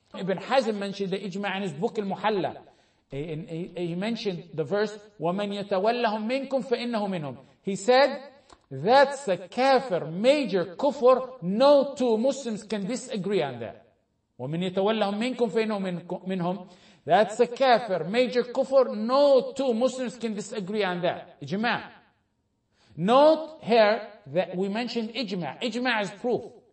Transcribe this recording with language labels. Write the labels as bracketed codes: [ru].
[en] Ibn Hazm mentioned the ijma in his book Al-Muhalla. He mentioned the verse, [ar] وَمَنْ يَتَوَلَّهُمْ مِنْكُمْ فَإِنَّهُ مِنْهُمْ. [en] He said, that's a kafir, major kufr. No two Muslims can disagree on that. [ar] وَمَنْ يَتَوَلَّهُمْ مِنْكُمْ فَإِنَّهُ مِنْهُمْ. [en] That's a kafir, major kufr. No two Muslims can disagree on that. Ijma. Note here that we mentioned ijma. Ijma is proof.